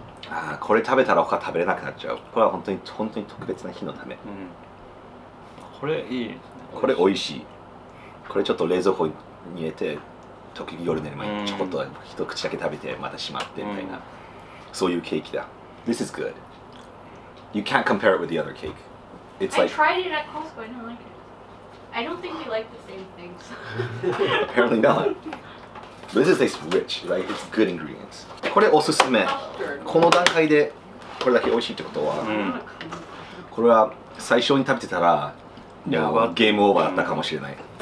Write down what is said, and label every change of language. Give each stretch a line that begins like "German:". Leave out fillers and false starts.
Japanese: あ、これ食べたら他食べれなくなっちゃう。これは本当に本当に特別な日のため、うん、これいいですね。これ美味しい。これちょっと冷蔵庫に入れて時々夜寝る前にちょこっと一口だけ食べてまたしまってみたいな、うん、そういうケーキだ。
English: This is good. You can't compare it with the other cake. It's like... I tried it at Costco, I don't like it. I don't think we like the same things. Apparently not. This is tastes rich, right? It's good ingredients.
Japanese: これおすすめ。この段階でこれだけ美味しいってことは、これは最初に食べてたらゲームオーバーだったかもしれない。